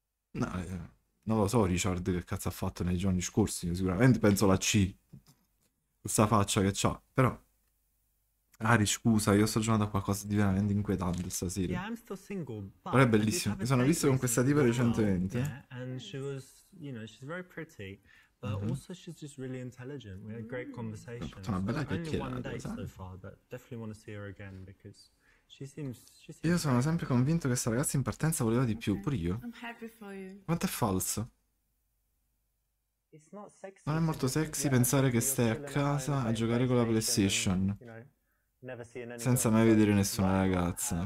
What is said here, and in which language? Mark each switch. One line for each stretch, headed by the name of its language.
Italian: No, non lo so, Richard, che cazzo ha fatto nei giorni scorsi. Sicuramente penso la C. Questa faccia che c'ha, però. Ari, scusa, io sto giocando a qualcosa di veramente inquietante stasera.
English: Yeah, I'm still single, but
Italian: però è bellissimo. Mi sono visto con questa tipa recentemente.
English: Yeah, and she was, you know, she's very pretty. Also, she's just really intelligent. We had great conversation.
Italian: Mm. Una bella chiacchierata,
English: only one day so far, but definitely want to see her again because she seems.
Italian: Io sono sempre convinto che sta ragazza in partenza voleva di più, pure io.
English: I'm happy for you.
Italian: Quanto è falso? Non è molto sexy pensare che stai a casa a giocare con la PlayStation senza mai vedere nessuna ragazza.